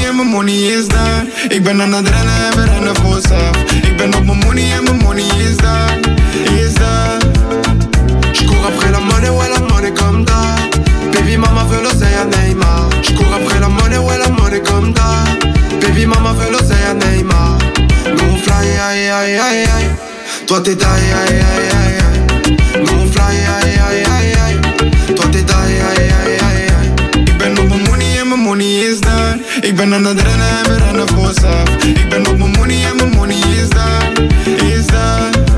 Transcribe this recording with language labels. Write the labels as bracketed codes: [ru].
[nl] Money is daar. Ik ben aan het rennen en we rennen voor zelf. Ik ben op mijn money en mijn money is daar. Is daar. [fr] J'cours après la money, ouais la money comme da. Baby mama veut l'oseille à Neymar. J'cours après la money, ouais la money comme da. Baby mama veut l'oseille à Neymar. Nous on fly, aïe aïe aïe aïe aïe. Toi t'es die, aïe aïe aïe aïe. Nous on fly, aïe aïe aïe aïe aïe. Toi t'es die, aïe aïe aïe aïe. [nl] Ik ben op mijn money en mijn money is daar. Ik ben aan het rennen en we rennen voor zelf. Ik ben op mijn money en mijn money is daar. Is daar.